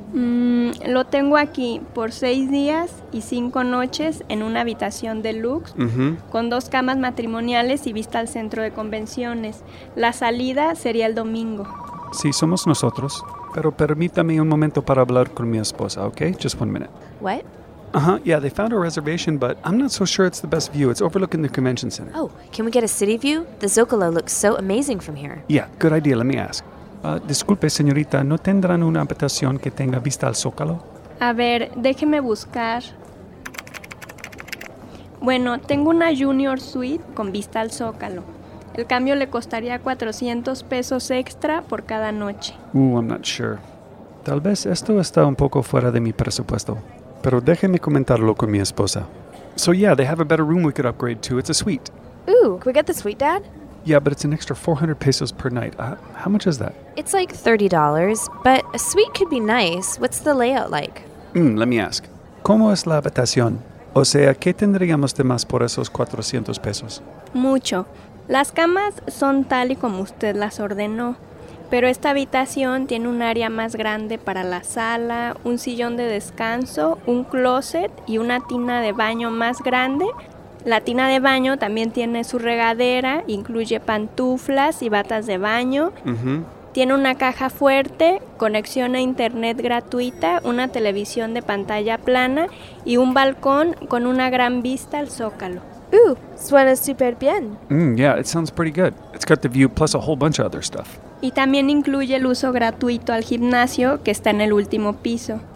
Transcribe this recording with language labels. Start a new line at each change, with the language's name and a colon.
Spanish: Lo tengo aquí por 6 días y 5 noches en una habitación deluxe con 2 camas matrimoniales y vista al centro de convenciones. La salida sería el domingo. Sí, somos nosotros. Pero permítame un momento para hablar con mi esposa, ¿ok?
English: Just 1 minute. What? Yeah, they found a reservation, but I'm not so sure it's the best view. It's overlooking the convention center. Oh, can we get a city view? The Zócalo looks so amazing from here. Yeah, good idea. Let me ask.
Spanish: Disculpe, señorita, ¿no tendrán una habitación que tenga vista al Zócalo? A ver, déjeme buscar. Bueno, tengo una Junior Suite con vista al Zócalo. El cambio le costaría $400 extra por cada noche.
English: I'm not sure.
Spanish: Tal vez esto está un poco fuera de mi presupuesto. Pero déjeme comentarlo con mi esposa.
English: So yeah, they have a better room we could upgrade to. It's a suite. Ooh, can we get the suite, Dad? Yeah, but it's an extra $400 per night. How much is that? It's like $30, but a suite could be nice. What's the layout like? Let me ask.
Spanish: ¿Cómo es la habitación? O sea, ¿qué tendríamos de más por esos $400? Mucho. Las camas son tal y como usted las ordenó. Pero esta habitación tiene un área más grande para la sala, un sillón de descanso, un closet y una tina de baño más grande. La tina de baño también tiene su regadera, incluye pantuflas y batas de baño. Tiene una caja fuerte, conexión a internet gratuita, una televisión de pantalla plana y un balcón con una gran vista al Zócalo. Suena súper bien.
English: Yeah, it sounds pretty good. It's got the view plus a whole bunch of other stuff.
Spanish: Y también incluye el uso gratuito al gimnasio, que está en el último piso.